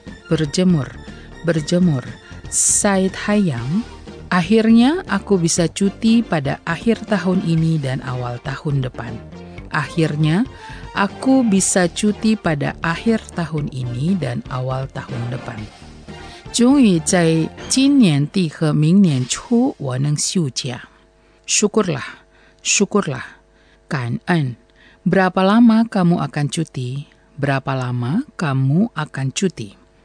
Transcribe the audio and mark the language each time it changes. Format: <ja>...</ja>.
<id>Berjemur Berjemur</id> <zh>晒太阳。</zh> <id>Akhirnya aku bisa cuti pada akhir tahun ini dan awal tahun depan. Akhirnya aku bisa cuti pada akhir tahun ini dan awal tahun depan.</id> <zh>终于在今年底和明年初我能休假。</zh> <id>Syukurlah, syukurlah,</id> <zh>感恩。</zh> <id>Berapa lama kamu akan cuti? Berapa lama kamu akan cuti?</id>